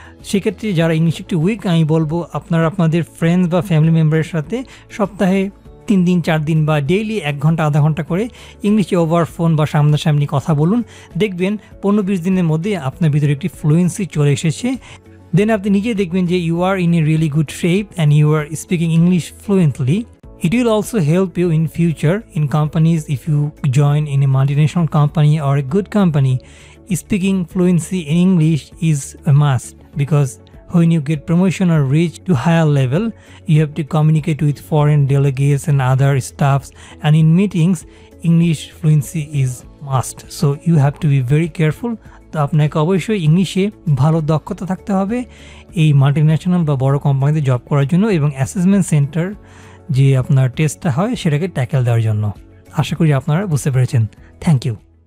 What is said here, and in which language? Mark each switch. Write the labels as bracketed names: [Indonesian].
[Bangla] সেক্ষেত্রে যারা ইংলিশ একটু উইক, আমি বলবো আপনারা আপনাদের ফ্রেন্ডস বা ফ্যামিলি মেম্বারের সাথে সপ্তাহে 3-4 দিন বা ডেইলি 1 ঘন্টা আধা ঘন্টা করে ইংলিশে ওভার ফোন বা সামনাসামনি কথা বলুন, দেখবেন 15-20 দিনের মধ্যে আপনার ভিতরে একটি ফ্লুয়েন্সি চলে এসেছে। [English] then [Bangla] আপনি নিজে দেখবেন যে [English] You are in a really good shape and you are speaking English fluently. It will also help you in future in companies if you join in a multinational company or a good company. Speaking fluency in English is a must because When you get promotion or reach to higher level, you have to communicate with foreign delegates and other staffs, and in meetings, English fluency is must. So you have to be very careful. [Bangla] তো আপনাকে অবশ্যই ইংলিশে ভালো দক্ষতা থাকতে হবে এই multinational বা বড় কোম্পানিতে জব করার জন্য এবং অ্যাসেসমেন্ট সেন্টার যে আপনার টেস্টটা হয় সেটাকে ট্যাকেল দেওয়ার জন্য। আশা করি আপনারা বুঝতে পেরেছেন। Thank you.